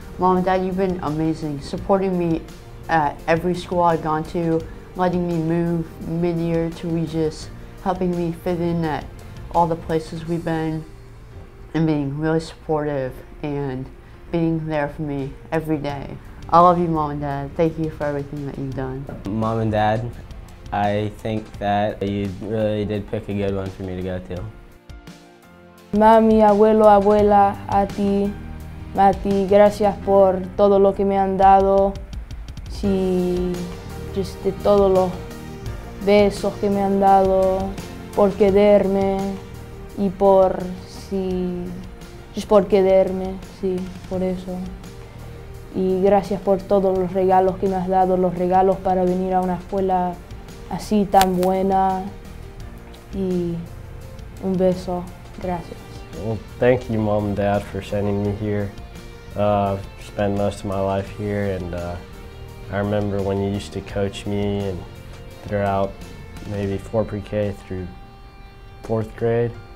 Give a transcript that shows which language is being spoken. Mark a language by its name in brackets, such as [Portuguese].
[English] Mom and Dad, you've been amazing, supporting me at every school I've gone to, letting me move mid-year to Regis, helping me fit in at all the places we've been, and being really supportive and being there for me every day. I love you, Mom and Dad. Thank you for everything that you've done. Mom and Dad, I think that you really did pick a good one for me to go to. [Spanish] Mami, abuelo, abuela, a ti, Mati, gracias por todo lo que me han dado. Si, just de todos los besos que me han dado, por quererme y por si, just por quererme, sí, por eso. Y gracias por todos los regalos que me has dado, los regalos para venir a una escuela así tan buena. Y un beso, gracias. [English] Well, thank you, Mom and Dad, for sending me here. I've spent most of my life here, and I remember when you used to coach me and throughout maybe 4 pre-K through 4th grade.